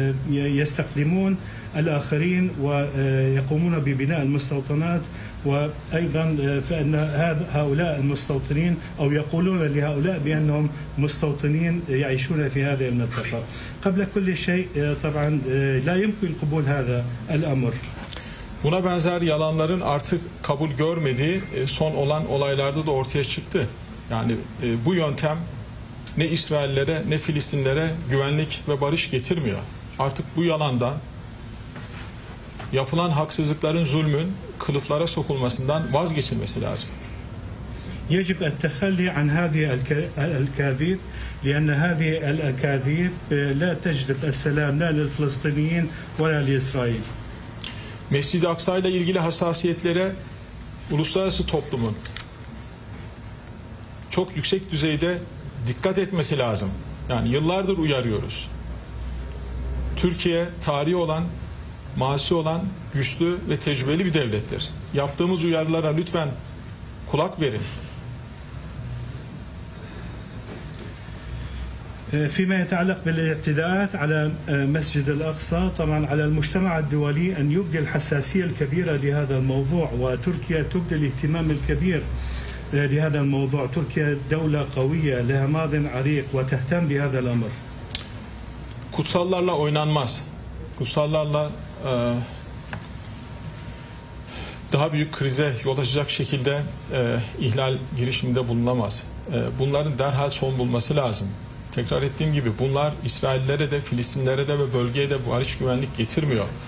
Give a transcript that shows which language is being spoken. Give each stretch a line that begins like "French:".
Arabic: يستخدمون الآخرين ويقومون ببناء المستوطنات وأيضا فإن هؤلاء المستوطنين أو يقولون لهؤلاء بأنهم مستوطنين يعيشون في هذه المنطقة قبل كل شيء طبعا لا يمكن قبول هذا الأمر.
Turkish: Buna benzer yalanların artık kabul görmediği son olan olaylarda da ortaya çıktı. Yani bu yöntem ne İsraillere ne Filistinlere güvenlik ve barış getirmiyor. Artık bu yalandan, yapılan haksızlıkların, zulmün kılıflara sokulmasından vazgeçilmesi lazım.
Arabic: يجب التخلي عن هذه الأكاذيب لأن هذه الأكاذيب لا تجلب السلام لا للفلسطينيين ولا لإسرائيل.
Turkish: Mescid-i Aksa ile ilgili hassasiyetlere uluslararası toplumun çok yüksek düzeyde dikkat etmesi lazım. Yani yıllardır uyarıyoruz. Türkiye tarihi olan, mazisi olan güçlü ve tecrübeli bir devlettir. Yaptığımız uyarılara lütfen kulak verin.
Arabic: فيما يتعلق بالاعتداءات على مسجد الأقصى طبعا على المجتمع الدولي أن يبدي الحساسية الكبيرة لهذا الموضوع وتركيا تبدي الاهتمام الكبير لهذا الموضوع تركيا دولة قوية لها ماضي عريق وتهتم بهذا الأمر
Turkish: kutsallarla oynanmaz. Kutsallarla daha büyük krize yol açacak şekilde ihlal girişiminde bulunamaz. Bunların derhal son bulması lazım. Tekrar ettiğim gibi bunlar İsraillere de, Filistinlere de ve bölgeye de barış güvenlik getirmiyor.